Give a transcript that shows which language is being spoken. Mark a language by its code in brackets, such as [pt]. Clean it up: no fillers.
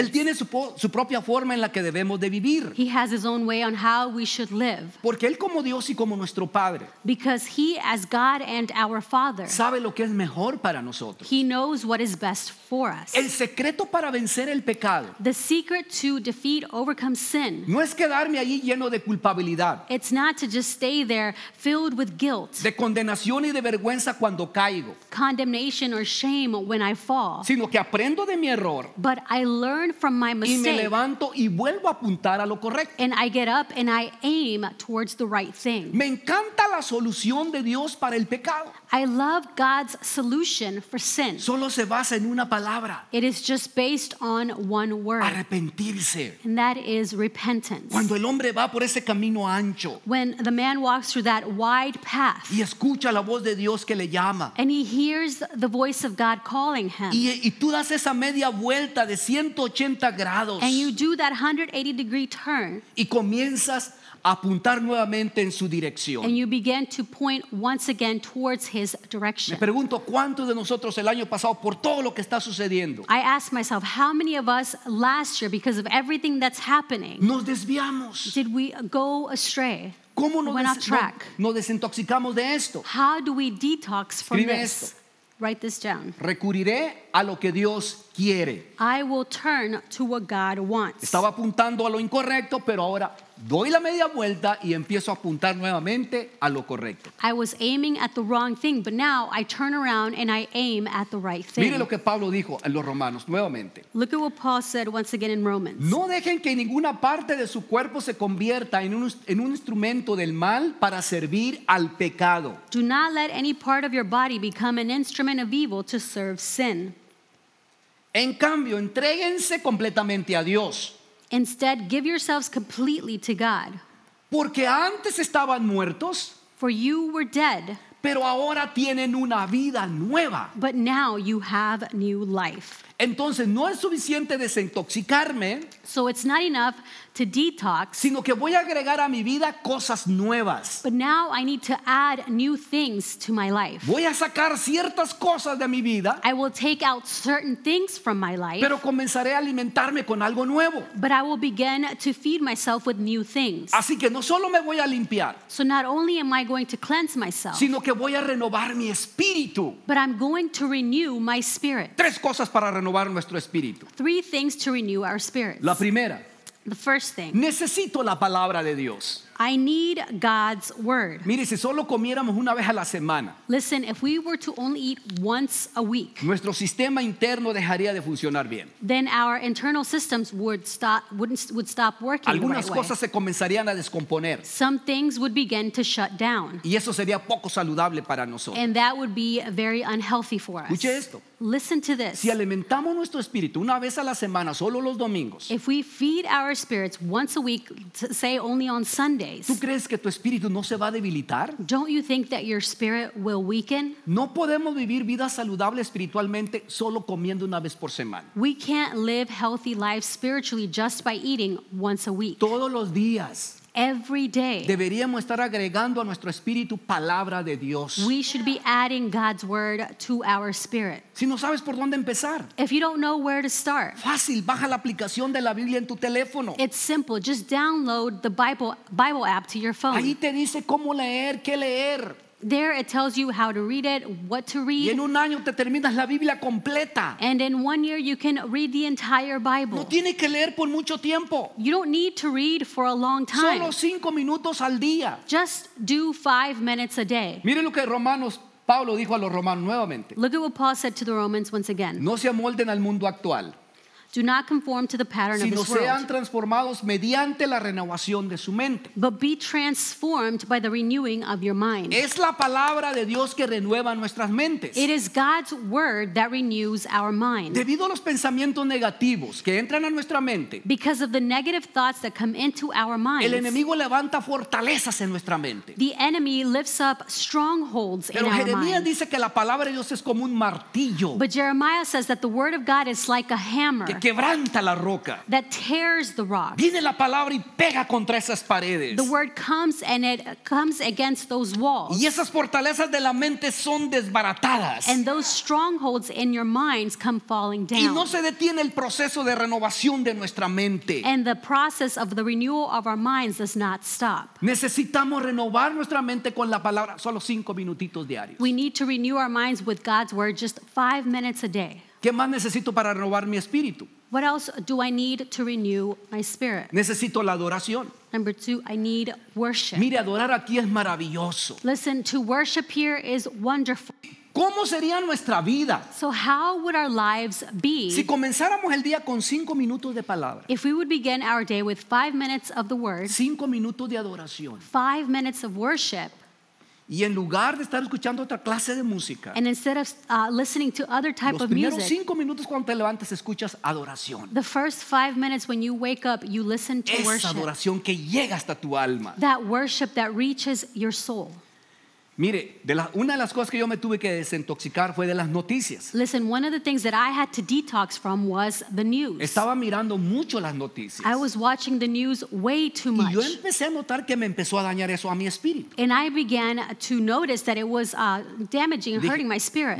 [es] Él tiene su propia forma en la que debemos de vivir. [en] He has his own way on how we should live. [es] Porque él como Dios y como nuestro Padre. [en] Because he as God and our Father. [es] Sabe lo que es mejor para nosotros. [en] He knows what is best for us. [es] El secreto para vencer el pecado. [en] The secret to defeat, overcome sin. [es] No es quedarme allí lleno de culpabilidad. [en] It's not to just stay there filled with guilt. [es] De condenación y de vergüenza cuando caigo. [en] Condemnation or shame when I fall. [es] Sino que aprendo. [en] But I learn from my mistake. [es] Y me levanto y vuelvo a apuntar a lo correcto. [en] And I get up and I aim towards the right thing. [es] Me encanta la solución de Dios para el pecado. [en] I love God's solution for sin. [es] Solo se basa en una palabra. [en] It is just based on one word. [es] Arrepentirse. [en] And that is repentance. [es] Cuando el hombre va por ese camino ancho. [en] When the man walks through that wide path. [es] Y escucha la voz de Dios que le llama. [en] And he hears the voice of God calling him. [es] Y tú das esa media vuelta de 180 grados. [en] And you do that 180 degree turn. [es] Y comienzas apuntar nuevamente en su dirección. [en] And you begin to point once again towards his direction. [es] Me pregunto cuántos de nosotros el año pasado por todo lo que está sucediendo. [en] I ask myself how many of us last year because of everything that's happening. [es] Nos desviamos. [en] Did we go astray? [es] ¿Cómo nos [en] went off track. [es] Nos desintoxicamos de esto? [en] How do we detox from [es] Escribe [en] this? [es] Esto. [en] Write this down. [es] Recurriré a lo que Dios quiere. [en] I will turn to what God wants. [es] Estaba apuntando a lo incorrecto, pero ahora doy la media vuelta y empiezo a apuntar nuevamente a lo correcto. [en] I was aiming at the wrong thing, but now I turn around and I aim at the right thing. [es] Mire lo que Pablo dijo en los Romanos nuevamente. [en] Look at what Paul said once again in Romans. [es] No dejen que ninguna parte de su cuerpo se convierta en un instrumento del mal para servir al pecado. [en] Do not let any part of your body become an instrument of evil to serve sin. [es] En cambio, entréguense completamente a Dios. [en] Instead, give yourselves completely to God. [es] Porque antes estaban muertos. [en] For you were dead. [es] Pero ahora tienen una vida nueva. [en] But now you have new life. [es] Entonces no es suficiente desintoxicarme. [en] So it's not enough to detox. [es] Sino que voy a agregar a mi vida cosas nuevas. [en] But now I need to add new things to my life. [es] Voy a sacar ciertas cosas de mi vida. [en] I will take out certain things from my life. [es] Pero comenzaré a alimentarme con algo nuevo. [en] But I will begin to feed myself with new things. [es] Así que no solo me voy a limpiar. [en] So not only am I going to cleanse myself. [es] Sino que voy a renovar mi espíritu. [en] But I'm going to renew my spirit. [es] Tres cosas para renovar nuestro espíritu. [en] Three things to renew our spirits. [es] La primera. [en] The first thing. [es] Necesito la palabra de Dios. [en] I need God's word. [es] Mire, si solo comiéramos una vez a la semana. [en] Listen, if we were to only eat once a week. [es] Nuestro sistema interno dejaría de funcionar bien. [en] Then our internal systems would stop working. [es] Algunas [en] the right [es] cosas [en] way. [es] Se comenzarían a descomponer. [en] Some things would begin to shut down. [es] Y eso sería poco saludable para nosotros. [en] And that would be very unhealthy for us. [es] Escuche esto. [en] Listen to this. [es] Si alimentamos nuestro espíritu una vez a la semana, solo los domingos. [en] If we feed our spirits once a week, say only on Sundays. [es] ¿Tú crees que tu espíritu no se va a debilitar? [en] Don't you think that your spirit will weaken? [es] No podemos vivir vida saludable espiritualmente solo comiendo una vez por semana. [en] We can't live healthy lives spiritually just by eating once a week. [es] Todos los días. [en] Every day. [es] Deberíamos estar agregando a nuestro espíritu palabra de Dios. [en] We should be adding God's word to our spirit. [es] Si no sabes por dónde empezar. [en] If you don't know where to start. [es] Fácil, baja la aplicación de la Biblia en tu teléfono. [en] It's simple, just download the Bible app to your phone. [es] Ahí te dice cómo leer, qué leer. [en] There it tells you how to read it, what to read. [es] Y en un año te terminas la Biblia completa. [en] And in 1 year you can read the entire Bible. [es] No tienes que leer por mucho tiempo. [en] You don't need to read for a long time. [es] Solo 5 minutos al día. [en] Just do 5 minutes a day. [es] Miren lo que Romanos Pablo dijo a los romanos nuevamente. [en] Look at what Paul said to the Romans once again. [es] No se amolden al mundo actual. [en] Do not conform to the pattern [es] sino [en] of this world. [es] Sean transformados mediante la renovación de su mente. [en] But be transformed by the renewing of your mind. [es] Es la palabra de Dios que renueva nuestras mentes. [en] It is God's word that renews our mind. [es] Debido a los pensamientos negativos que entran a nuestra mente. [en] Because of the negative thoughts that come into our minds. [es] El enemigo levanta fortalezas en nuestra mente. [en] The enemy lifts up strongholds [es] Pero [en] in [es] Jeremías [en] our minds. [es] Pero Jeremías dice que la palabra de Dios es como un martillo. [en] But Jeremiah says that the word of God is like a hammer. [es] Que quebranta la roca. [en] That tears the rock. [es] Viene la palabra y pega contra esas paredes. [en] The word comes and it comes against those walls. [es] Y esas fortalezas de la mente son desbaratadas. [en] And those strongholds in your minds come falling down. [es] Y no se detiene el proceso de renovación de nuestra mente. [en] And the process of the renewal of our minds does not stop. [es] Necesitamos renovar nuestra mente con la palabra solo 5 minutitos diarios. [en] We need to renew our minds with God's word just 5 minutes a day. [es] ¿Qué más necesito para renovar mi espíritu? [en] What else do I need to renew my spirit? [es] Necesito la adoración. [en] Number 2, I need worship. [es] Mire, adorar aquí es maravilloso. [en] Listen, to worship here is wonderful. [es] ¿Cómo sería nuestra vida? [en] So how would our lives be? [es] Si comenzáramos el día con 5 minutos de palabra. [en] If we would begin our day with 5 minutes of the word. [es] 5 minutos de adoración. [en] 5 minutes of worship. [es] Y en lugar de estar escuchando otra clase de música. [en] And instead of listening to other type of music. [es] Los primeros 5 minutos cuando te levantas escuchas adoración. [en] The first 5 minutes when you wake up you listen to [es] Esa [en] worship. [es] Esa adoración que llega hasta tu alma. [en] That worship that reaches your soul. [es] Mire, una de las cosas que yo me tuve que desintoxicar fue de las noticias. [en] Listen, one of the things that I had to detox from was the news. [es] Estaba mirando mucho las noticias. [en] I was watching the news way too much. [es] Y yo empecé a notar que me empezó a dañar eso a mi espíritu. [en] And I began to notice that it was damaging and hurting my spirit.